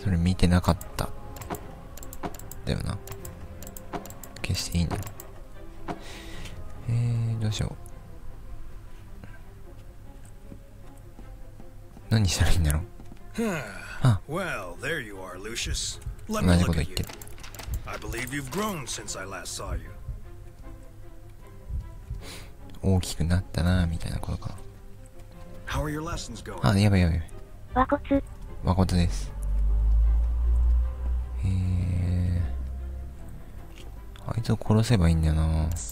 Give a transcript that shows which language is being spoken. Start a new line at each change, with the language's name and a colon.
Japanese: それ見てなかった。だよな。消していいんだ。どうしよう。何したらいいんだろう。あ、
English: well, there you are, Lucius. Let me look at you. I believe you've grown since I last saw you.
Japanese: 大きくなったなみたいなことか。
English: How are your lessons going?
Japanese: あ、やばいやばい。和骨。和骨です。あいつを殺せばいいんだよな。